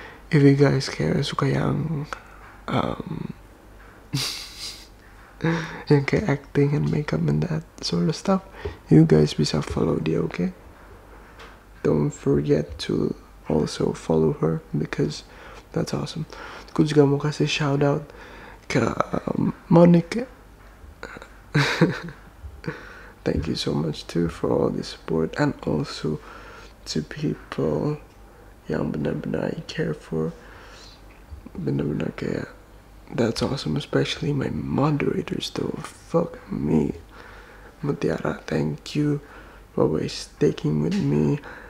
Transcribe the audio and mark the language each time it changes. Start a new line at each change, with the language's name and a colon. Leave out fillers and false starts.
English: if you guys
Indonesian: kayak suka yang yang kayak
English: acting and makeup and that sort of stuff, you guys
Indonesian: bisa follow dia,
English: okay? Don't forget to also follow her because that's awesome.
Indonesian: Aku juga mau kasih shout out ke Monica.
English: Thank you so much too for all the support, and also to people
Indonesian: yang benar-benar
English: I care for,
Indonesian: benar-benar kayak
English: that's awesome, especially my moderators though. Fuck me, Mutiara, thank you for always sticking with me.